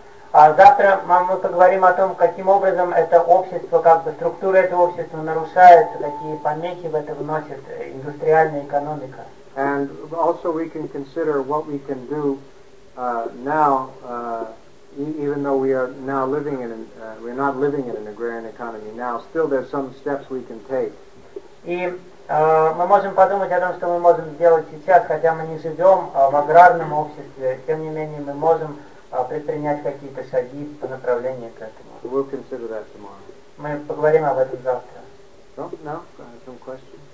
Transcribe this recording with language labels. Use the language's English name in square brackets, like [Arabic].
[Russian] Завтра мы поговорим о том, каким образом это общество, как бы структура этого общества нарушается, какие помехи в это вносит индустриальная экономика. [English] And also we can consider what we can do now, even though we are now living in, we're not living in an agrarian economy now, still there's some steps we can take. [Russian] И мы можем подумать о том, что мы можем сделать сейчас, хотя мы не живем в аграрном обществе, тем не менее мы можем предпринять какие-то шаги по направлению к этому. [English] We'll consider that tomorrow. [Russian] Мы поговорим об этом завтра. [English] No, no, some questions.